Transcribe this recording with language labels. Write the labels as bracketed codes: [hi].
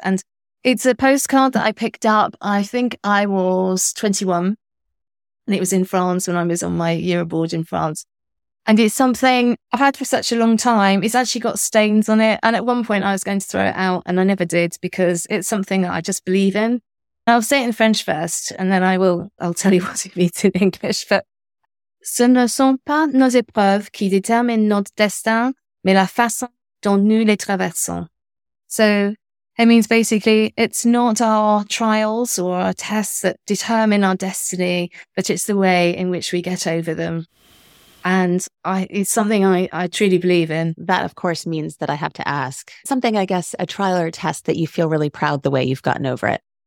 [en] And it's a postcard that I picked up. I think I was 21, and it was in France when I was on my year abroad in France. And it's something I've had for such a long time. It's actually got stains on it. And at one point I was going to throw it out and I never did because it's something that I just believe in. I'll say it in French first and then I'll tell you what it means in English. [fr] But ce ne sont pas nos épreuves qui déterminent notre destin, mais la façon dont nous les traversons. [en] So it means basically it's not our trials or our tests that determine our destiny, but it's the way in which we get over them. And it's something I truly believe in. That, of course, means that I have to ask. Something, I guess, a trial or a test that you feel really proud the way you've gotten over it.